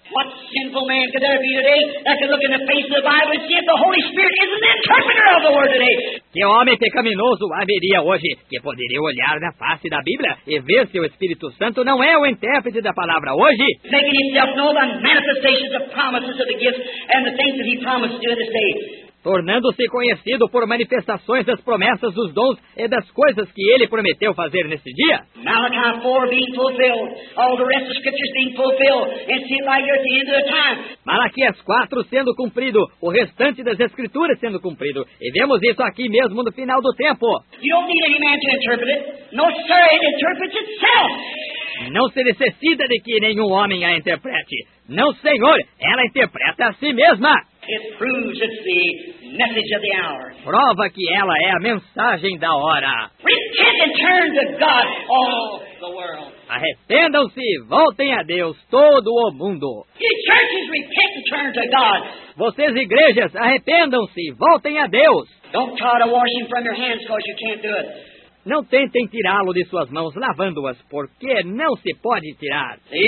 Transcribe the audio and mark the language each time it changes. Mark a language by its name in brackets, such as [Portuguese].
[English] What sinful man could there be today that could look in the face of the Bible and see if the Holy Spirit isn't the interpreter of the word today? [Portuguese] Que homem pecaminoso haveria hoje que poderia olhar na face da Bíblia e ver se o Espírito Santo não é o intérprete da palavra hoje? [English] Making himself known by manifestations of promises of the gifts and the things that he promised to this day. [Portuguese] Tornando-se conhecido por manifestações das promessas dos dons e das coisas que ele prometeu fazer nesse dia. [English] Malachi 4 being fulfilled, all the rest of the scriptures being fulfilled, and see it right here at the end of the time. [Portuguese] Malaquias 4 sendo cumprido, o restante das escrituras sendo cumprido, e vemos isso aqui mesmo no final do tempo. [English] You don't need any man to interpret it. No, sir, it interprets itself. [Portuguese] Não se necessita de que nenhum homem a interprete. Não, senhor, ela interpreta a si mesma. [English] It proves it's the message of the hour. [Portuguese] Prova que ela é a mensagem da hora. [English] Repent and turn to God, all the world. [Portuguese] Arrependam-se e voltem a Deus, todo o mundo. [English] The churches repent and turn to God. [Portuguese] Vocês, igrejas, arrependam-se e voltem a Deus. [English] Don't try to wash him from your hands because you can't do it. [Portuguese] Não tentem tirá-lo de suas mãos lavando-as, porque não se pode tirar.